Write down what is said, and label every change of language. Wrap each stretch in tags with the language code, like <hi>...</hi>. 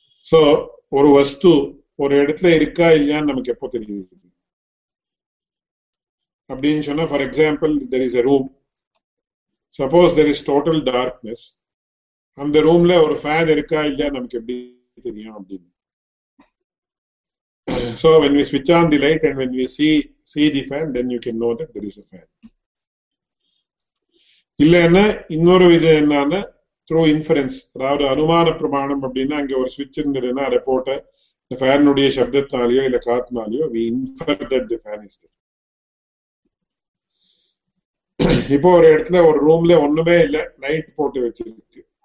<ta>So ஒரு வஸ்து ஒரு இடத்துல இருக்கா இல்லையான்னு நமக்கு எப்போ தெரியும் அப்படின்னு சொன்னா,</ta> <en>for example there is a room, suppose there is total darkness,</en> <ta>அந்த ரூம்ல ஒரு ஃபேன் இருக்கா இல்லையான்னு நமக்கு எப்படி தெரியும் அப்படின்னு.</ta> <en>So when we switch on the light and when we see the fan, then you can know that there is a fan.</en> <ta>இல்லைன்னா இன்னொரு விதம் என்னன்னா,</ta> <en>through inference,</en> <ta>அதாவது அனுமான பிரமாணம் அப்படின்னா, அங்கே ஒரு ஸ்விட்ச் இருந்ததுன்னா அதை போட்ட இந்த ஃபேனுடைய சப்தத்தினாலேயோ இல்லை காத்தினாலேயோ</ta> <en>we infer that the fan is there.</en> <ta>இப்போ ஒரு இடத்துல ஒரு ரூம்ல ஒண்ணுமே இல்லை, லைட் போட்டு வச்சிருக்கு.</ta>